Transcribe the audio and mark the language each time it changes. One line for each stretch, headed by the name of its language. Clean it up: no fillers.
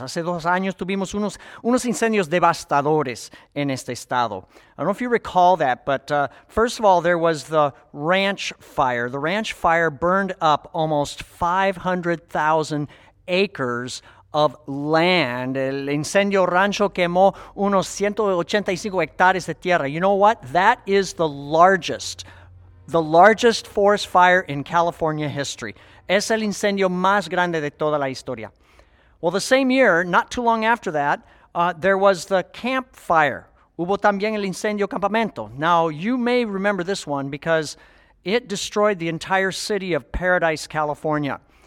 Spanish: Hace 2 años tuvimos unos incendios devastadores en este estado.
English: I don't know if you recall that, but first of all, there was the ranch fire. The ranch fire burned up almost 500,000 acres of land.
Spanish: El incendio rancho quemó unos 185 hectáreas de tierra.
English: You know what? That is the largest forest fire in California history.
Spanish: Es el incendio más grande de toda la historia.
English: Well, the same year, not too long after that, there was the campfire.
Spanish: Hubo también el incendio campamento.
English: Now, you may remember this one because it destroyed the entire city of Paradise, California.